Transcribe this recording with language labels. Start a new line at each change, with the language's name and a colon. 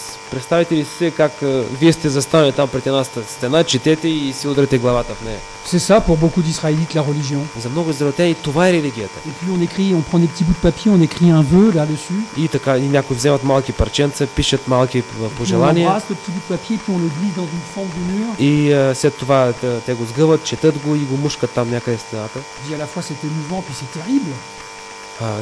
Bulgarian: Представете ли си как вие сте застанали там пред една стена, четете и си удрете главата в нея.
French: C'est ça pour beaucoup d'israélites la religion.
Bulgarian: За много израелтяни това е религията.
French: Et puis on écrit, on prend des petits bouts de papier, on écrit un vœu là-dessus.
Bulgarian: И така, и някои вземат малки парченца, пишат малки пожелания.
French: On embrasse le petit bout de papier, puis on le glisse dans une fente du mur.
Bulgarian: И след това те го сгъват, четат го и го мушкат там някъде в стената.
French: Et à la fois c'est émouvant puis c'est terrible.